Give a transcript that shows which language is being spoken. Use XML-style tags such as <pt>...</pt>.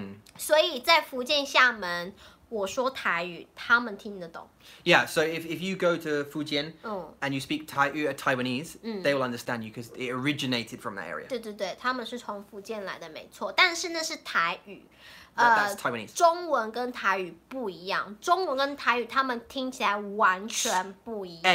<zh>对,他们是从福建厦门来的。所以在福建厦门... 我说台语,他们听得懂。</zh> <en>Yeah, so if you go to Fujian and you speak Taiwanese, they will understand you because it originated from that area.</en> <zh>对,他们是从福建来的,没错, 但是那是台语。</zh> <en>That's Taiwanese.</en> <zh>中文跟台语不一样, 中文跟台语他们听起来完全不一样。</zh>